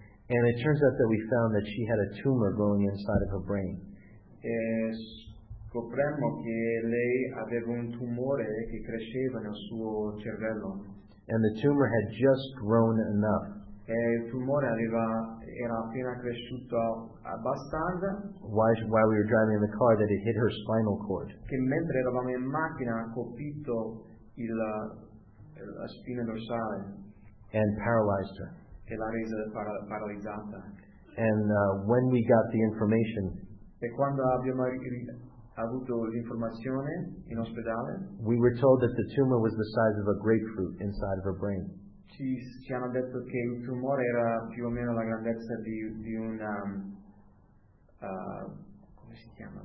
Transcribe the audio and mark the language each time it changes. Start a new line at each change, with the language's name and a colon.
English: And it turns out that we found that she had a tumor growing inside of her brain.
Italian: E scopremmo che lei aveva un tumore che cresceva nel suo cervello.
English: And the tumor had just grown enough.
Italian: E il tumore era appena cresciuto abbastanza.
English: While we were driving in the car, that it hit her spinal cord.
Italian: Che mentre eravamo in macchina ha colpito la spina dorsale.
English: And paralyzed her.
Italian: E l'ha resa paralizzata.
English: And when we got the information.
Italian: E quando abbiamo avuto l'informazione in ospedale.
English: We were told that the tumor was the size of a grapefruit inside of her brain.
Italian: Ci hanno detto che il tumore era più o meno la grandezza di un come si chiama?